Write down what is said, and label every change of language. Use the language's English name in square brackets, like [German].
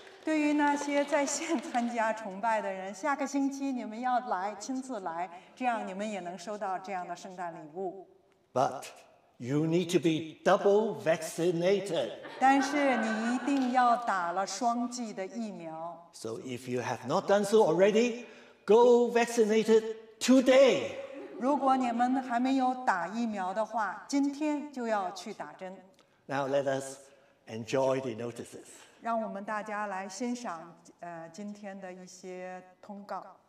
[Chinese] 对于那些在线参加崇拜的人，下个星期你们要来，亲自来，这样你们也能收到这样的圣诞礼物。 [English] But you need to be double vaccinated. [Chinese] 但是你一定要打了双剂的疫苗。 [English] So if you have not done so already, go vaccinated today. [Chinese] 如果你们还没有打疫苗的话，今天就要去打针。 [English] Now let us enjoy the notices. [Chinese] 让我们大家来欣赏今天的一些通告。